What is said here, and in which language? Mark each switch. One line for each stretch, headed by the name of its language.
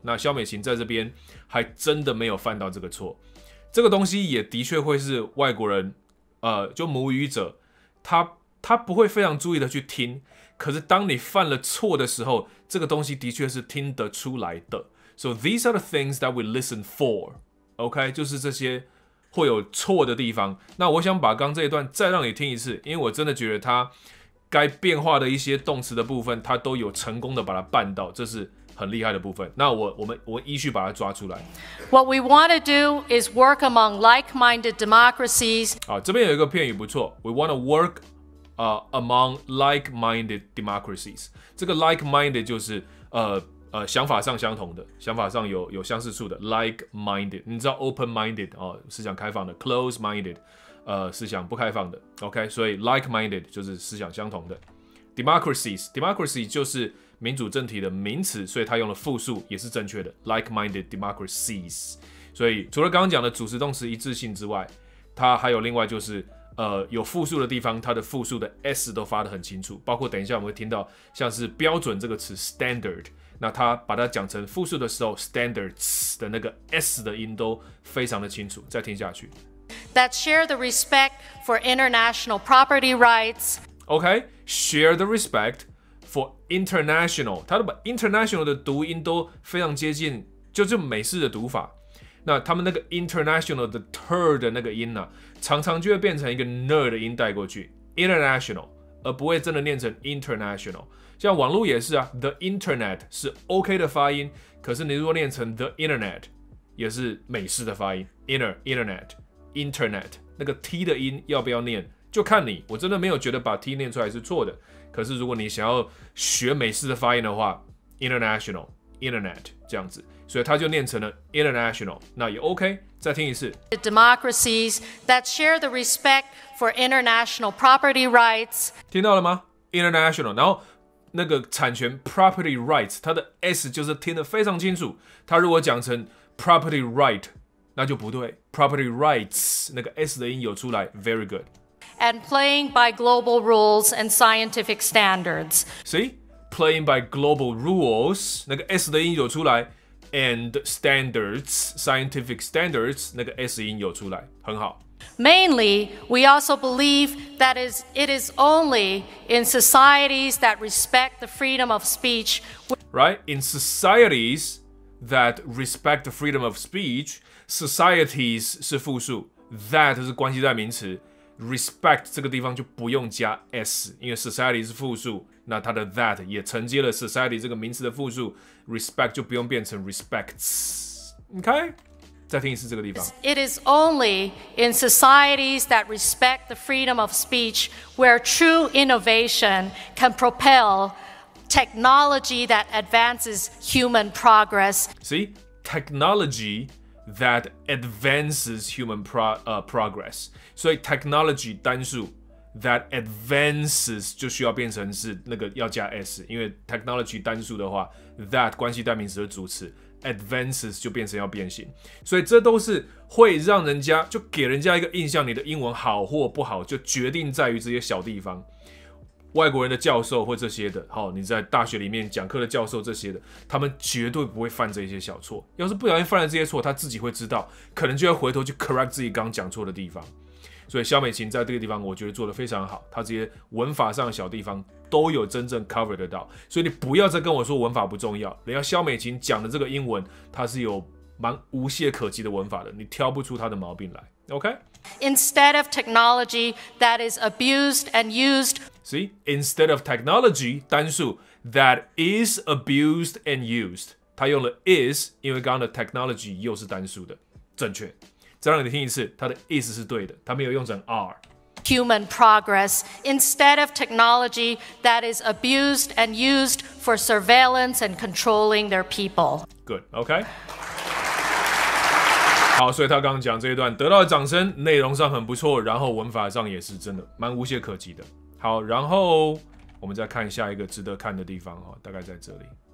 Chinese: 那萧美琴在这边还真的没有犯到这个错。这个东西也的确会是外国人就母语者，他不会非常注意的去听。可是当你犯了错的时候，这个东西的确是听得出来的。
English: So these are the things that we listen for.
Chinese: OK， 就是这些会有错的地方。那我想把刚这一段再让你听一次，因为我真的觉得它该变化的一些动词的部分，它都有成功的把它办到，这是很厉害的部分。那我依序把它抓出来。
English: What we want to do is work among like-minded democracies.
Chinese: 好，这边有一个片语不错 ，
English: We want to work. Among like-minded democracies，
Chinese: 这个 like-minded 就是想法上相同的，想法上有相似处的 like-minded。你知道 open-minded 哦，思想开放的 ；close-minded， 思想不开放的。 OK， 所以 like-minded 就是思想相同的 democracies，democracy 就是民主政体的名词，所以它用了复数也是正确的
English: like-minded democracies。
Chinese: 所以除了刚刚讲的主词动词一致性之外，它还有另外就是。有复数的地方，它的复数的 s 都发得很清楚，包括等一下我们会听到像是标准这个词 standard， 那它把它讲成复数的时候 standards 的那个 s 的音都非常的清楚。再听下去。
English: That share the respect for international property rights.
Chinese: OK，
English: share the respect for international，
Chinese: 它都把 international 的读音都非常接近，就是美式的读法。那他们那个 international 的 ter 的那个音呢、啊，常常就会变成一个 ner 的音带过去 international， 而不会真的念成 international。像网络也是啊 ，
English: the internet
Chinese: 是 OK 的发音，可是你如果念成 the internet， 也是美式的发音 internet 那个 t 的音要不要念，就看你。我真的没有觉得把 t 念出来是错的，可是如果你想要学美式的发音的话 ，international internet 这样子。所以他就念成了 international， 那也 OK。再听一次。
English: The democracies that share the respect for international property rights。
Chinese: 听到了吗 ？International， 然后那个产权
English: property rights，
Chinese: 它的 s 就是听得非常清楚。他如果讲成
English: property right，
Chinese: 那就不对。
English: Property rights
Chinese: 那个 s 的音有出来 ，
English: very good。 And playing by global rules and scientific standards。 See， playing by global rules，
Chinese: 那个 s 的音有出来。
English: And standards, scientific standards,
Chinese: 那个 S 音有出来，很好。
English: Mainly, we also believe that it is only in societies that respect the freedom of speech. Right? In societies that respect the freedom of speech, societies
Chinese: 是复数 that 是关系代名词 ，respect 这个地方就不用加 s， 因为 society 是复数，那它的 that 也承接了 society 这个名词的复数 ，respect 就不用变成 respects。 OK， 再听一次这个地方。
English: It is only in societies that respect the freedom of speech where true innovation can propel technology that advances human progress. See, technology that advances human progress.
Chinese: 所以 technology 单数
English: that advances
Chinese: 就需要变成是那个要加 s， 因为 technology 单数的话 ，that 关系代名词的主词。 Advances 就变成要变形，所以这都是会让人家就给人家一个印象，你的英文好或不好，就决定在于这些小地方。外国人的教授或这些的，好，你在大学里面讲课的教授这些的，他们绝对不会犯这些小错。要是不小心犯了这些错，他自己会知道，可能就会回头去 correct 自己刚讲错的地方。所以萧美琴在这个地方，我觉得做得非常好，他这些文法上的小地方都有真正 cover 得到，所以你不要再跟我说文法不重要。人家萧美琴讲的这个英文，它是有蛮无懈可击的文法的，你挑不出它的毛病来。
English: OK？ Instead of technology that is abused and used， See， instead of technology
Chinese: 单数
English: that is abused and used，
Chinese: 他用了 is， 因为刚刚的 technology 又是单数的，正确。再让你听一次，它的 is 是对的，它没有用成 are。
English: Human progress instead of technology that is abused and used for surveillance and controlling their people. Good, okay.
Chinese: 好，所以他刚刚讲这一段得到的掌声，内容上很不错，然后文法上也是真的蛮无懈可击的。好，然后我们再看下一个值得看的地方哦，大概在这里。